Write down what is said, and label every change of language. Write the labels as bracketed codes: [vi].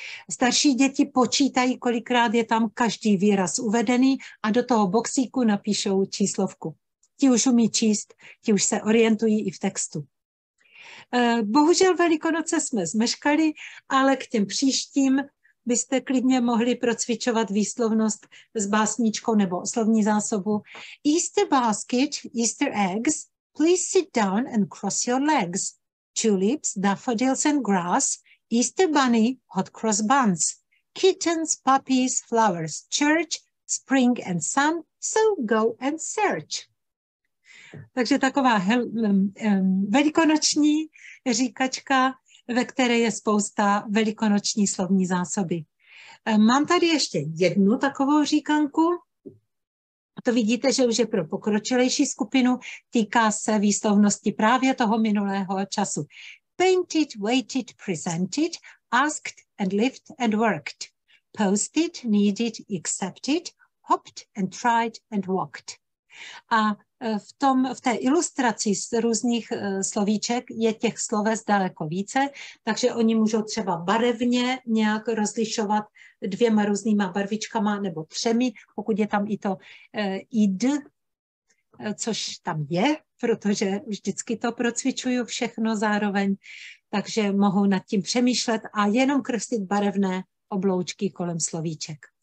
[cs] Starší děti počítají, kolikrát je tam každý výraz uvedený a do toho boxíku napíšou číslovku. Ti už umí číst, ti už se orientují i v textu. Bohužel Velikonoce jsme zmeškali, ale k těm příštím byste klidně mohli procvičovat výslovnost s básničkou nebo slovní zásobu. [en] Easter basket, Easter eggs, please sit down and cross your legs. Tulips, daffodils and grass, Easter bunny, hot cross buns. Kittens, puppies, flowers, church, spring and sun, so go and search. [cs] Takže taková velikonoční říkačka, ve které je spousta velikonoční slovní zásoby. Mám tady ještě jednu takovou říkanku. To vidíte, že už je pro pokročilejší skupinu, týká se výslovnosti právě toho minulého času. [en] Painted, waited, presented, asked and lived and worked. Posted, needed, accepted, hopped and tried and walked. [cs] A v té ilustraci z různých slovíček je těch sloves daleko více, takže oni můžou třeba barevně nějak rozlišovat dvěma různýma barvičkama nebo třemi, pokud je tam i to id, což tam je, protože vždycky to procvičuju všechno zároveň, takže mohou nad tím přemýšlet a jenom kreslit barevné obloučky kolem slovíček.